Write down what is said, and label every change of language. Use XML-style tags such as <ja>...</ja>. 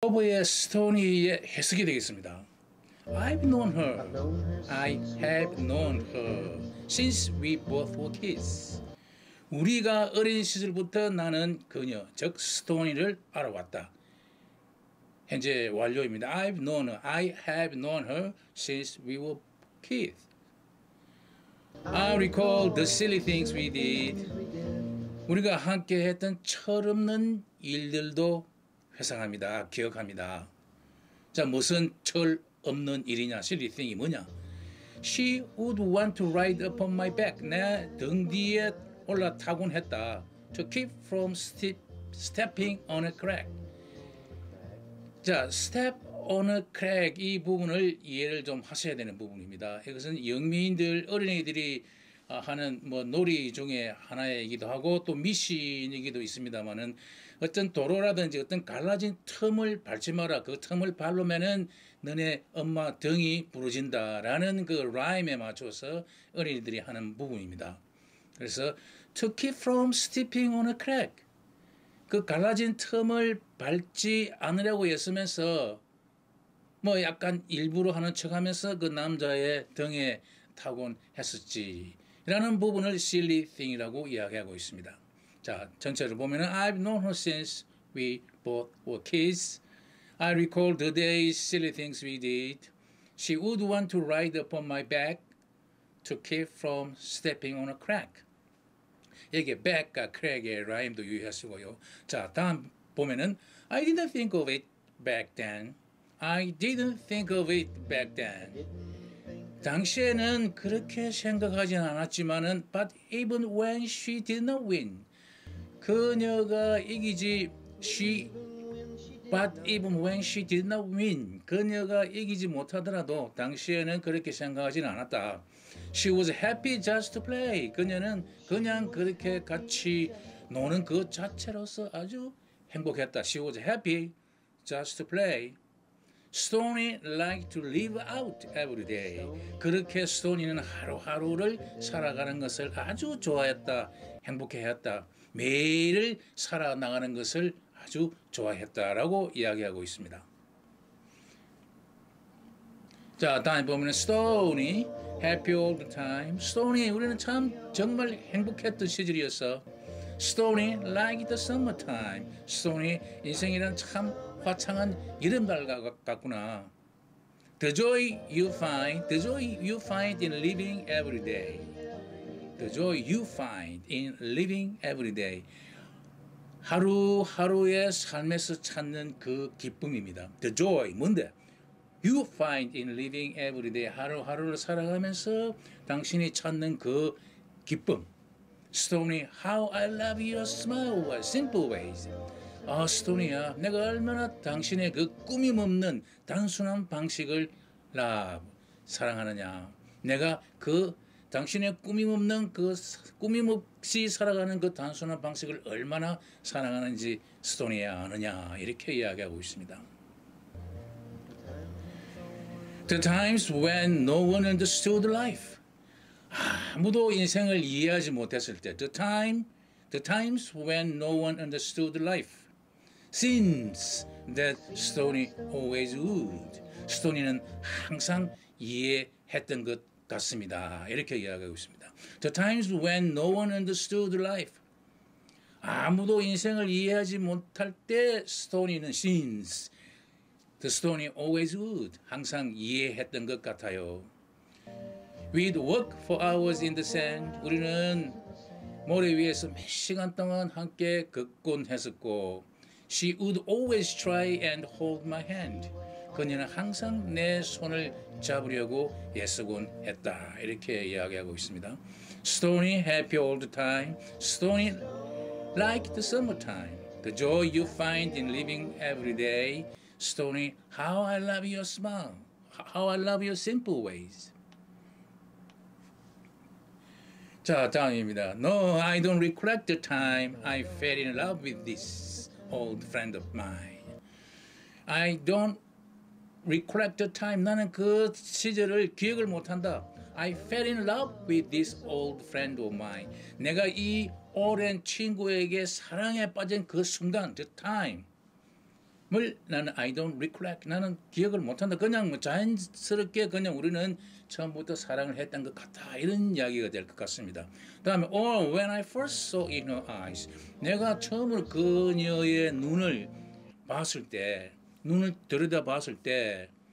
<ko>오브의 스토니의 해석이 되겠습니다.</ko> <en>I've known her. I have known her since we both were kids.</en> <ko>우리가 어린 시절부터 나는 그녀, 즉 스토니를 알아왔다. 현재 완료입니다.</ko> <en>I've known her. I have known her since we were kids. I recall the silly things we did.</en> <ko>우리가 함께 했던 철없는 일들도 회상합니다. 기억합니다. 자, 무슨 철없는 일이냐?</ko> <en>Silly thing</en> <ko>이 뭐냐?</ko> <en>She would want to ride upon my back.</en> <ko>내 등 뒤에 올라타곤 했다.</ko> <en>To keep from stepping on a crack.</en> <ko>자,</ko> <en>step on a crack</en> <ko>이 부분을 이해를 좀 하셔야 되는 부분입니다. 이것은 영미인들, 어린이들이 하는 뭐 놀이 중에 하나이기도 하고 또 미신이기도 있습니다만은 어떤 도로라든지 어떤 갈라진 틈을 밟지 마라. 그 틈을 밟으면은 너네 엄마 등이 부러진다라는 그 라임에 맞춰서 어린이들이 하는 부분입니다. 그래서</ko> <en>to keep from stepping on a crack.</en> <ko>그 갈라진 틈을 밟지 않으려고 했으면서 뭐 약간 일부러 하는 척하면서 그 남자의 등에 타곤 했었지. 라는 부분을</ko> <en>silly thing</en> <ko>이라고 이야기하고 있습니다. 자, 전체를 보면은</ko> <en>I've known her since we both were kids. I recall the days silly things we did. She would want to ride upon my back to keep from stepping on a crack.</en> <ko>여기 back과 crack의 라임도 유의하시고요. 자, 다음 보면은</ko> <en>I didn't think of it back then. I didn't think of it back then.</en> <ko>당시에는 그렇게 생각하진 않았지만은</ko> <en>But even when she did not win</en> <ko>그녀가 이기지</ko> <en>But even when she did not win</en> <ko>그녀가 이기지 못하더라도 당시에는 그렇게 생각하진 않았다.</ko> <en>She was happy just to play</en> <ko>그녀는 그냥 그렇게 같이 노는 그 자체로서 아주 행복했다.</ko> <en>She was happy just to play. Stoney liked to live out every day.</en> <ko>그렇게 스토니는 하루하루를 살아가는 것을 아주 좋아했다. 행복해했다. 매일을 살아나가는 것을 아주 좋아했다라고 이야기하고 있습니다. 자, 다음에 보면</ko> <en>Stoney, happy all the time.</en> <ko>Stoney, 우리는 참 정말 행복했던 시절이었어.</ko> <en>Stoney liked the summertime.</en> <ko>Stoney, 인생이란 참 화창한 여름날 같구나.</ko> <en>The joy you find in living every day. The joy you find in living every day.</en> <ko>하루하루의 삶에서 찾는 그 기쁨입니다.</ko> <en>The joy,</en> <ko>뭔데?</ko> <en>You find in living every day.</en> <ko>하루하루를 살아가면서 당신이 찾는 그 기쁨.</ko> <en>Stoney, how I love your smile was simple ways.</en> <ko>아, 스토니야, 내가 얼마나 당신의 그 꾸밈 없는 단순한 방식을 사랑하느냐. 내가 그 당신의 꾸밈 없는 그 꾸밈 없이 살아가는 그 단순한 방식을 얼마나 사랑하는지 스토니야 아느냐. 이렇게 이야기하고 있습니다.</ko> <en>The times when no one understood life.</en> <ko>아무도 인생을 이해하지 못했을 때.</ko> <en>The times when no one understood life. Since that Stoney always would.</en> <ko>Stoney는 항상 이해했던 것 같습니다. 이렇게 이야기하고 있습니다.</ko> <en>The times when no one understood life.</en> <ko>아무도 인생을 이해하지 못할 때 Stoney는</ko> <en>since the Stoney always would.</en> <ko>항상 이해했던 것 같아요.</ko> <en>We'd walk for hours in the sand.</en> <ko>우리는 모래 위에서 몇 시간 동안 함께 걷곤 했었고</ko> <en>She would always try and hold my hand.</en> <ko>그녀는 항상 내 손을 잡으려고 애쓰곤 했다. 이렇게 이야기하고 있습니다.</ko> <en>Stoney, happy all the time. Stoney, like the summertime. The joy you find in living every day. Stoney, how I love your smile. How I love your simple ways.</en> <ko>자, 다음입니다.</ko> <en>No, I don't recollect the time I fell in love with this. Old friend of mine. I don't recollect the time.</en> <ko>나는 그 시절을 기억을 못한다.</ko> <en>I fell in love with this old friend of mine.</en> <ko>내가 이 오랜 친구에게 사랑에 빠진 그 순간,</ko> <en>the time.</en> <ko>뭘 나는</ko> <en>I don't recollect</en> <ko>나는 기억을 못한다 그냥 자연스럽게 그냥 우리는 처음부터 사랑을 했던 것 같다 이런 이야기가 될 것 같습니다 다음에</ko> <en>Or when I first saw in her eyes</en> <ko>내가 처음으로 그녀의 눈을 봤을 때 눈을 들여다봤을 때</ko>